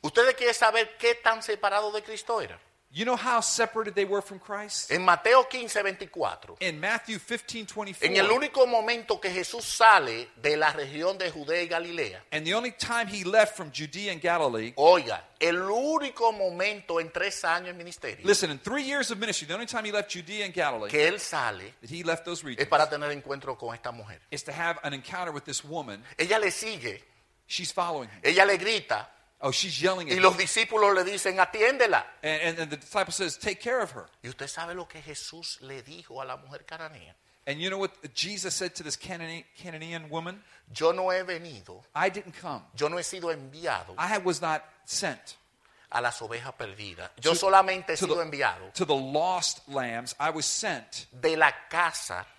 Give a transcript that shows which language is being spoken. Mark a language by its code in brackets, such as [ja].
[es] ¿Ustedes quieren saber qué tan separado de Cristo era? [en] You know how separated they were from Christ? [es] En Mateo 15, 24. [en] In Matthew 15, 24. [es] En el único momento que Jesús sale de la región de Judea y Galilea. [en] And the only time he left from Judea and Galilee. [es] Oiga, el único momento en tres años en ministerio. [en] Listen, in 3 years of ministry, the only time he left Judea and Galilee. [es] Que él sale. [en] That he left those regions. [es] Es para tener encuentro con esta mujer. [en] Is to have an encounter with this woman. [es] Ella le sigue. [en] She's following him. [es] Ella le grita. [en] Oh, she's yelling at him. [es] Y los discípulos le dicen, atiéndela. [en] And the disciple says, take care of her. [es] ¿Y usted sabe lo que Jesús le dijo a la mujer cananea? [en] And you know what Jesus said to this Canaanite woman? [es] Yo no he venido. [en] I didn't come. [es] Yo no he sido enviado. [en] I was not sent. [es] A las ovejas perdidas. Yo solamente he sido enviado. [en] To the lost lambs, I was sent. [es] De la casa.